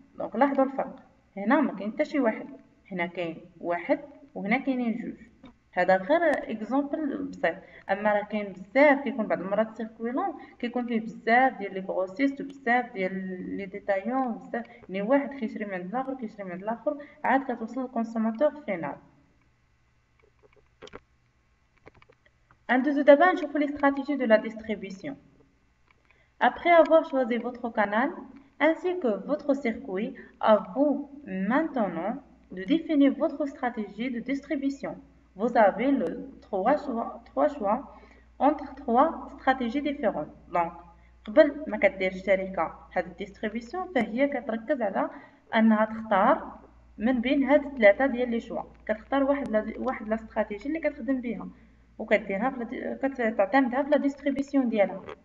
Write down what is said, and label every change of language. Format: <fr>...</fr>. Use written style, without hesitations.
<ar>دونك لاحظوا الفرق هنا ما كاين حتى شي واحد هنا كاين واحد وهنا كاينين جوج هذا غير اكزومبل بسيط اما راه كاين بزاف كيكون بعض المرات سيركوي لون كيكون فيه بزاف ديال لي غروسيست وبزاف ديال لي ديتايون بزاف يعني واحد كيشري من عند الاخر كيشري من عند الاخر عاد كتوصل للكونسوماتور فينال.</ar> <fr>Un deux d'abord, je vous les stratégies de la distribution. Après avoir choisi votre canal ainsi que votre circuit, à vous maintenant de définir votre stratégie de distribution. Vous avez le trois choix entre trois stratégies différentes.</fr> <ar>Donc, قبل ما كدير الشركة هاد الديستريبيسيون فهي كتركز على انها تختار من بين هاد الثلاثة ديال لي شوا كتختار واحد لا استراتيجي اللي كتخدم بها وكديرها كتعتمدها في لا ديستريبيسيون ديالها.</ar>